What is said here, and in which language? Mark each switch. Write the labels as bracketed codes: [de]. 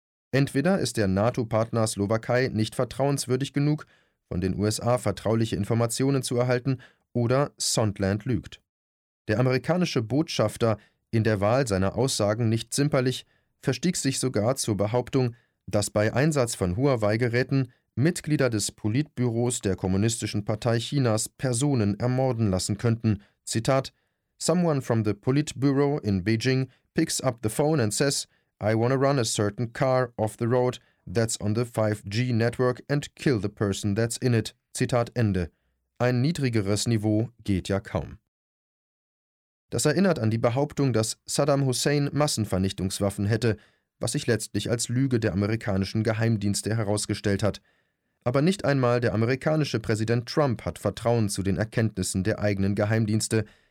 [de] Entweder ist der NATO-Partner Slowakei nicht vertrauenswürdig genug, von den USA vertrauliche Informationen zu erhalten, oder Sondland lügt. Der amerikanische Botschafter, in der Wahl seiner Aussagen nicht zimperlich, verstieg sich sogar zur Behauptung, dass bei Einsatz von Huawei-Geräten Mitglieder des Politbüros der Kommunistischen Partei Chinas Personen ermorden lassen könnten. [en] Zitat: Someone from the Politburo in Beijing picks up the phone and says, I wanna run a certain car off the road that's on the 5G network and kill the person that's in it. [de] Zitat Ende. Ein niedrigeres Niveau geht ja kaum. Das erinnert an die Behauptung, dass Saddam Hussein Massenvernichtungswaffen hätte, was sich letztlich als Lüge der amerikanischen Geheimdienste herausgestellt hat. Aber nicht einmal der amerikanische Präsident Trump hat Vertrauen zu den Erkenntnissen der eigenen Geheimdienste,